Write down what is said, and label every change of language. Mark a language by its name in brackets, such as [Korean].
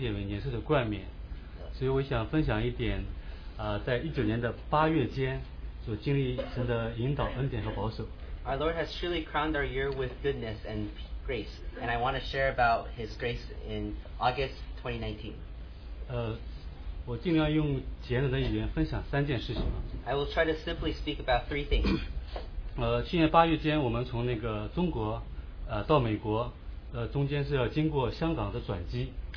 [Chinese] 我们的神他真是以恩典为年岁的冠冕，所以我想分享一点。在19年的8月间所经历神的引导恩典和保守。 [English] Our Lord has truly crowned our year with goodness and grace, and I want to share about His grace in August 2019. [Chinese] 我尽量用简短的语言分享三件事情。 [English] I will try to simply speak about three things. [Chinese] 去年8月间我们从那个中国到美国，中间是要经过香港的转机。